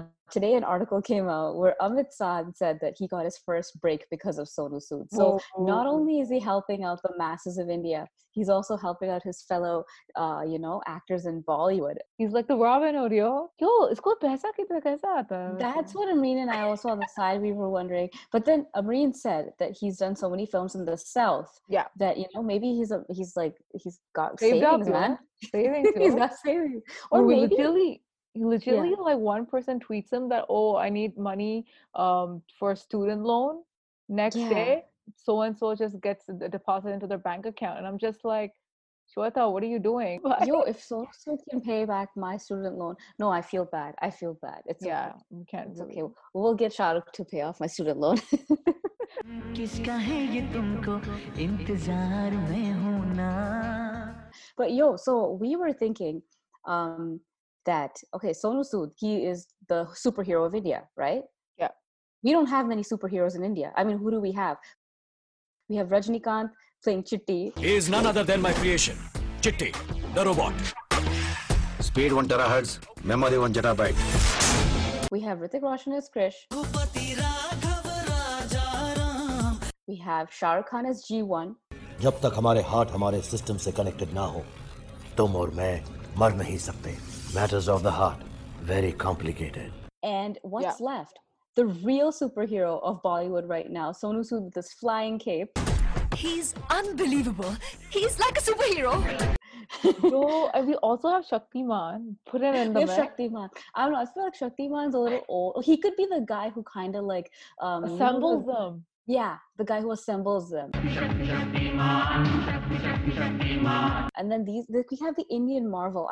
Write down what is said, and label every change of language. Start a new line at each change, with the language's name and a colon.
English: Today an article came out where Amit Saad said that he got his first break because of Sonu Sood. So not only is he helping out the masses of India, he's also helping out his fellow actors in Bollywood. He's like the Robin Hood.
Hindi: यो, इसको पैसा कितना कैसा आता?
English: That's what Amreen and I also on the side we were wondering. But then Amreen said that he's done so many films in the South. Yeah. That, you know, maybe he's got savings. Or maybe literally, like one person tweets him that, oh, I need money for a student loan. Next day, so and so just gets the deposit into their bank account. And I'm just like, Shweta, what are you doing? But if so can pay back my student loan. No, I feel bad. I feel bad. It's okay. We'll get Shahrukh to pay off my student loan.
Hindi: किसका है ये तुमको इंतजार में होना.
English: But yo, so we were thinking that, okay, Sonu Sood, he is the superhero of India, right? Yeah. We don't have many superheroes in India. I mean, who do we have? We have Rajinikanth playing Chitti. He is none other than my creation, Chitti, the robot. Speed 1 terahertz, memory 1 jetabyte. We have Hrithik Roshan as Krish. We have Shah Rukh Khan as G1.
Hindi: जब तक हमारे heart हमारे system से connected ना हो तुम और मैं मर नहीं सकते.
English: Matters of the heart very complicated. And what's left the real superhero of Bollywood right now Sonu Sood with this flying cape. He is unbelievable. He is like a superhero. So, and we also have Shaktiman. Put it in the mix. Shaktiman. I don't know. I feel like Shaktiman's a little old. He could be the guy who kind of like assembles them. Yeah, the guy who assembles them. And then we have the Indian Marvel.